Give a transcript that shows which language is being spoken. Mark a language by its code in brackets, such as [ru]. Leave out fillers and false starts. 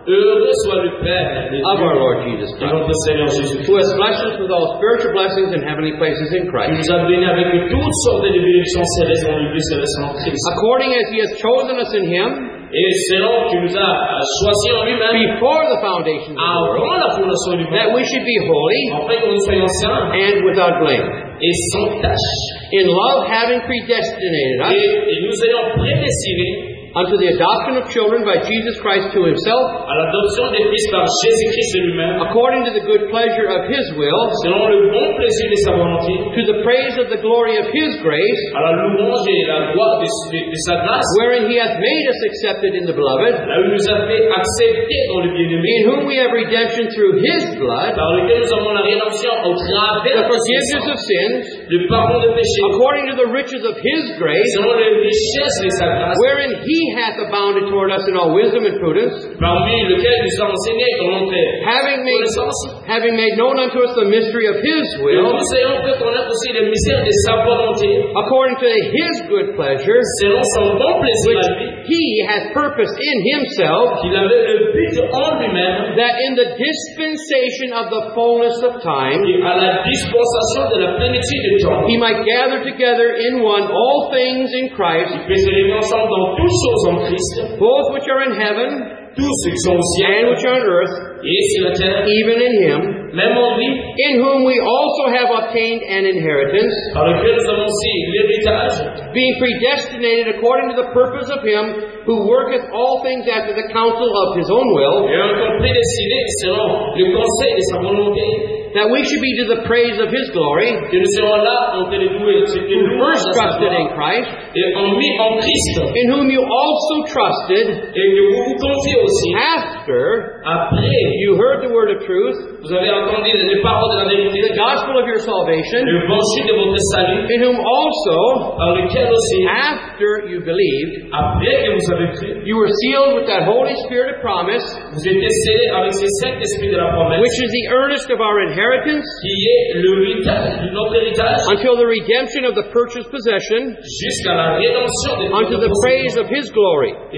[en] of our Lord Jesus Christ, who has blessed us with all spiritual blessings in heavenly places in Christ, according as he has chosen us in him, before the foundation of the world, that we should be holy and without blame. [fr] Et sans tâche. [en] In love, having predestinated us [fr] et nous ayons prédestiné [en] unto the adoption of children by Jesus Christ to himself, [fr] à l'adoption des fils par Jésus-Christ lui-même, [en] according to the good pleasure of his will, [fr] selon le bon plaisir de sa volonté, [en] to the praise of the glory of his grace, [fr] à la louange et la gloire de sa grâce, [en] wherein he hath made us accepted in the beloved, [fr] là où nous a fait accepter dans le bien-aimé, [en] in whom we have redemption through his blood, [fr] par lequel nous avons la rédemption au travers [en] the forgiveness of sins, [fr] le pardon de péché, [en] according to the riches of his grace, [fr] selon les richesses de sa grâce, [en] wherein he hath abounded toward us in all wisdom and prudence, [fr] parmi lequel nous sommes enseignés dans l'enfer, [en] having made known unto us the mystery of his will, [fr] et nous ayons fait connaître aussi les mystères de sa volonté, [en] according to his good pleasure, [fr] selon son bon plaisir, [en] which he hath purposed in himself, [fr] qu'il avait le but en lui-même, [en] that in the dispensation of the fullness of time, [fr] et à la dispensation de la plénitude de temps, [en] he might gather together in one all things in Christ, both which are in heaven, [fr] tous ceux qui sont au ciel, [en] and which are on earth, [fr] et sur la terre, [en] even in him, [fr] même en lui, [en] in whom we also have obtained an inheritance, [fr] par lequel nous avons aussi l'héritage, [en] being predestinated according to the purpose of him who worketh all things after the counsel of his own will, [fr] et encore prédestiné selon le conseil de sa volonté, [en] that we should be to the praise of his glory, who first trusted in Christ, in whom you also trusted, after you heard the word of truth, the gospel of your salvation, in whom also, after you believed, you were sealed with that Holy Spirit of promise, which is the earnest of our inheritance, until the redemption of the purchased possession, unto the praise of his glory.